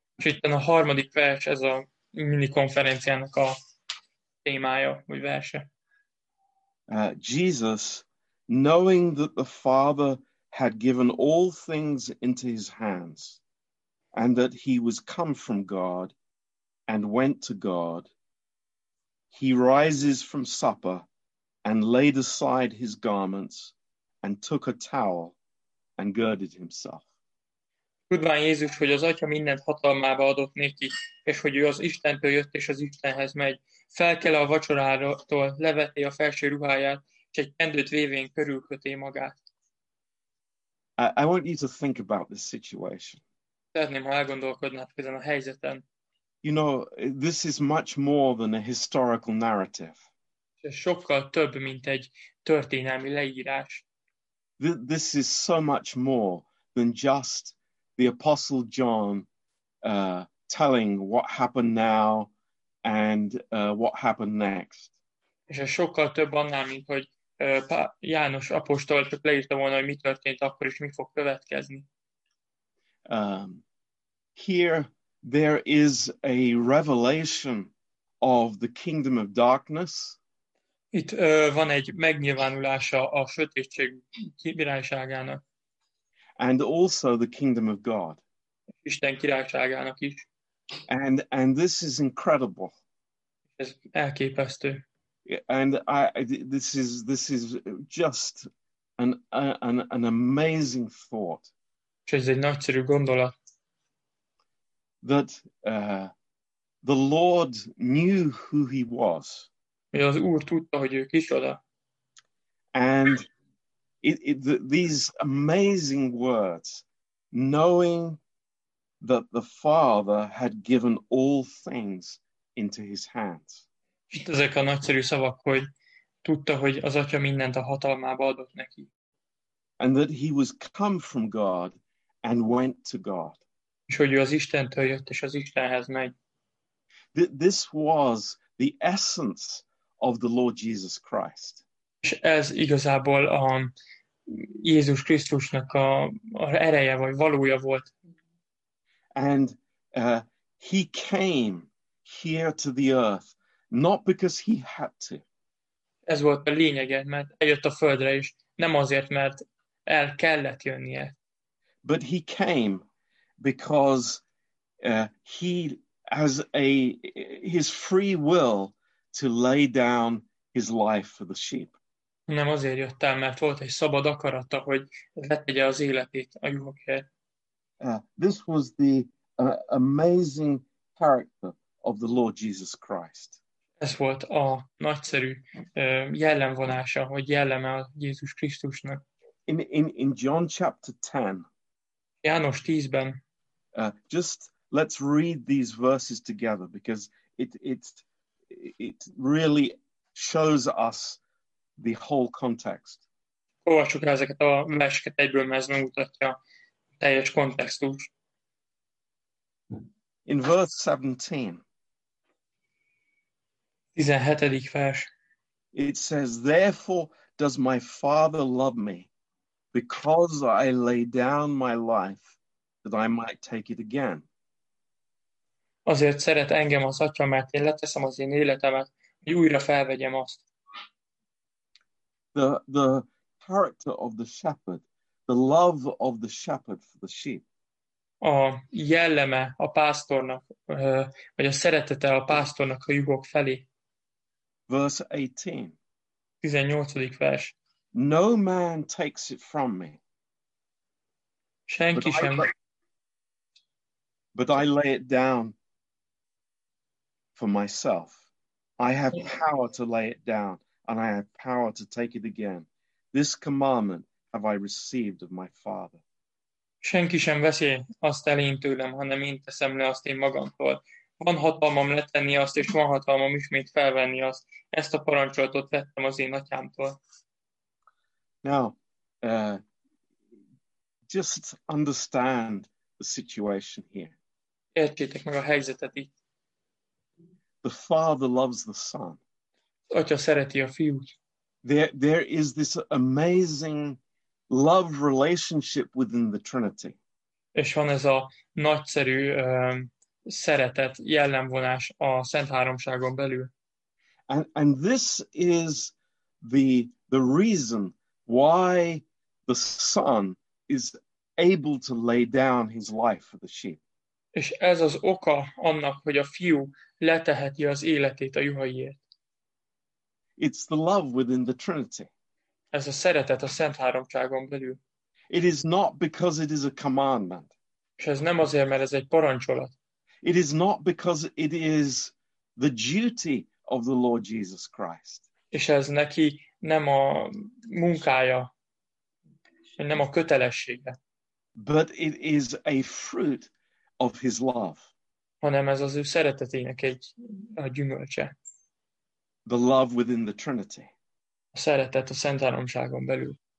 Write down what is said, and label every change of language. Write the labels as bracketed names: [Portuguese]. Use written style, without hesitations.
[Hungarian] És itt a harmadik vers, ez a mini konferenciának a témája, vagy verse. [English] Jesus, knowing that the Father had given all things into his hands, and that he was come from God and went to God, he rises from supper and laid aside his garments and took a towel and girded himself. [Hungarian] Tudván Jézus, hogy az Atya mindent hatalmába adott neki, és hogy ő az Istentől jött és az Istenhez megy, felkele a vacsorától, leveti a felső ruháját, és egy kendőt vévén körülköti magát. [English] I want you to think about this situation. [Hungarian] Szeretném, ha elgondolkodnátok ezen a helyzeten. [English] You know, this is much more than a historical narrative. [Hungarian] Ez sokkal több, mint egy történelmi leírás. [English] This is so much more than just the Apostle John telling what happened now and what happened next. [Hungarian] És ez sokkal több annál, mint hogy János apostol csak leírta volna, hogy mi történt akkor is, mi fog következni. [English] Here there is a revelation of the kingdom of darkness. [Hungarian] Itt van egy megnyilvánulása a sötétség királyságának. [English] And also the kingdom of God. [Hungarian] Isten királyságának is. [English] And this is incredible. [Hungarian] Ez elképesztő. [English] And this is just an amazing thought. [Hungarian] És ez egy nagyszerű gondolat. [English] That The Lord knew who he was. [Hungarian] Hogy az Úr tudta, hogy ő kicsoda. [English] And these amazing words, knowing that the Father had given all things into his hands. [Hungarian] Itt ezek a nagyszerű szavak, hogy tudta, hogy az Atya mindent a hatalmába adott neki. [English] And that he was come from God and went to God. [Hungarian] És hogy ő az Istentől jött, és az Istenhez megy. [English] This was the essence of the Lord Jesus Christ. [Hungarian] És ez igazából a Jézus Krisztusnak a ereje, vagy valója volt. [English] And he came here to the earth, not because he had to. [Hungarian] Ez volt a lényege, mert eljött a földre is, nem azért, mert el kellett jönnie. [English] But he came because he has his free will to lay down his life for the sheep. [Hungarian] Nem azért jött el, mert volt egy szabad akarata, hogy letegye az életét a juhokért. [English] This was the amazing character of the Lord Jesus Christ. [Hungarian] Ez volt a nagyszerű jellemvonása, hogy jelleme a Jézus Krisztusnak. [English] In John chapter 10. [Hungarian] János 10-ben. [English] Just let's read these verses together, because it really shows us the whole context. [Hungarian] Olvassuk ezeket a verseket egyből, mert ez megmutatja a teljes kontextust. [English] In verse 17. [Hungarian] 17. vers. [English] It says, therefore does my Father love me, because I lay down my life that I might take it again. [Hungarian] Azért szeret engem az Atya, mert én leteszem az én életemet, hogy újra felvegyem azt. [English] The character of the shepherd, the love of the shepherd for the sheep. [Hungarian] A jelleme a pásztornak, vagy a szeretete a pásztornak a juhok felé. [English] Verse 18. [Hungarian] 18. vers. [English] No man takes it from me. [Hungarian] Senki sem. [English] But I lay it down for myself. I have power to lay it down, and I have power to take it again. This commandment have I received of my Father. [Hungarian] Senki sem veszi azt el én tőlem, hanem én teszem le azt én magamtól. Van hatalmam letenni azt, és van hatalmam ismét felvenni azt. Ezt a parancsolatot vettem az én atyámtól. [English] Now, just understand the situation here. [Hungarian] Értsétek meg a helyzetet itt. [English] The Father loves the Son. [Hungarian] Atya szereti a fiút. [English] There is this amazing love relationship within the Trinity. [Hungarian] És van ez a nagyszerű szeretet jellemvonás a Szent Háromságon belül. [English] And this is the reason why the Son is able to lay down his life for the sheep. [Hungarian] És ez az oka annak, hogy a fiú leteheti az életét a juhaiért. [English] It's the love within the Trinity. [Hungarian] Ez a szeretet a Szent Háromságon belül. [English] It is not because it is a commandment. [Hungarian] És ez nem azért, mert ez egy parancsolat. [English] It is not because it is the duty of the Lord Jesus Christ. [Hungarian] És ez neki nem a munkája, nem a kötelessége. [English] But it is a fruit of his love. [Hungarian] Hanem ez az ő szeretetének a gyümölcse. [English] The love within the Trinity. [Hungarian] A szeretet a Szent Háromságon belül.